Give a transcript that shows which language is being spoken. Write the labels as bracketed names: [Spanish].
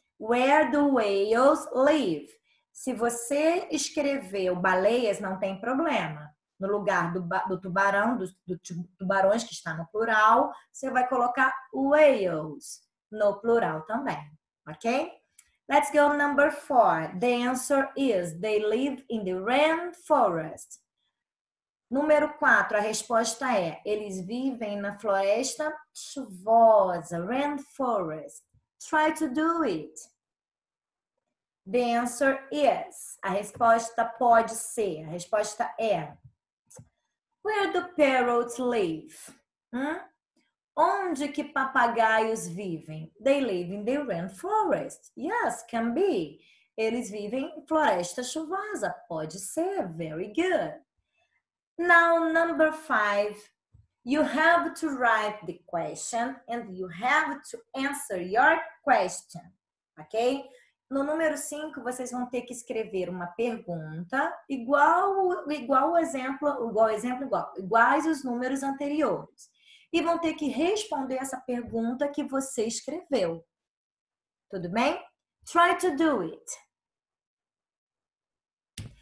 [English] Where do whales live? [Portuguese] Se você escreveu baleias, não tem problema. No lugar do tubarão, do tubarões que está no plural, você vai colocar whales no plural também, ok? [English] Let's go number 4. The answer is they live in the rainforest. [Portuguese] Número 4, a resposta é: eles vivem na floresta chuvosa, rainforest. [English] Try to do it. The answer is. [Portuguese] A resposta pode ser. A resposta é: [English] Where do parrots live? [Portuguese] Onde que papagaios vivem? [English] They live in the rainforest. Yes, can be. [Portuguese] Eles vivem em floresta chuvosa. Pode ser. [English] Very good. Now, number 5. You have to write the question and you have to answer your question. Ok? [Portuguese] No número 5, vocês vão ter que escrever uma pergunta iguais os números anteriores. E vão ter que responder essa pergunta que você escreveu. Tudo bem? [English] Try to do it.